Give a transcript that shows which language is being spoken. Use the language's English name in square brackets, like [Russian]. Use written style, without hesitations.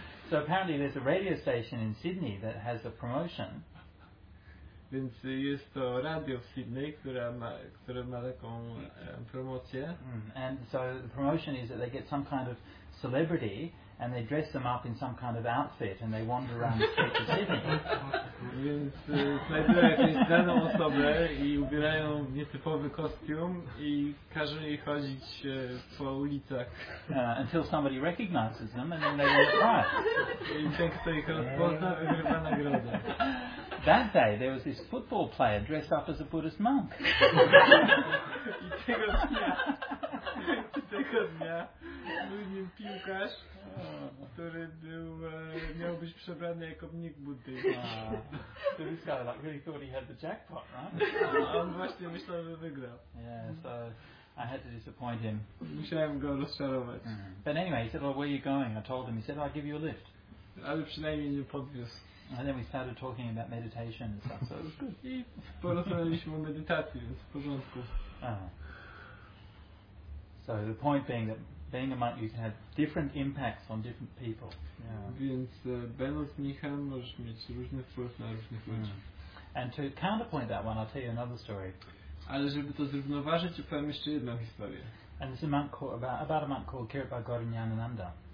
[English] So apparently there's a radio station in Sydney that has a promotion. [Polish] Więc jest to radio w Sydney, które ma taką promocję. [English] And so the promotion is that they get some kind of celebrity and they dress them up in some kind of outfit and they wander around the streets of Sydney. [Polish] Więc znajdują jakąś daną osobę i ubierają w nietypowy kostium i każą jej chodzić po ulicach. [English] Until somebody recognizes them and then they win a prize. [Polish] I ten, kto ich rozpozna, wygrywa nagrodę. [English] That day there was this football player dressed up as a Buddhist monk. [Polish] I tego dnia, był nim piłkarz, który miał być przebrany jako mnich Buddy. [English] So this guy like really thought he had the jackpot, right? [Polish] On właśnie myślał, że wygrał. [English] Yeah, so I had to disappoint him. [Polish] Musiałem go rozczarować. [English] But anyway, he said, well, where are you going? I told him. He said, I'll give you a lift. [Polish] Ale przynajmniej nie podwiózł. [English] And then we started talking about meditation and stuff, so it was good. [Polish] I porozmawialiśmy o medytacji, więc w porządku. [English] So the point being that being a monk, you can have different impacts on different people. [Polish] Więc będąc mnichem, możesz mieć różny wpływ na różnych ludzi. [English] And to counterpoint that one, I'll tell you another story. [Polish] Ale żeby to zrównoważyć, opowiem jeszcze jedną historię. [English] And it's a monk called, about a monk called Kirpa Gorinyanananda.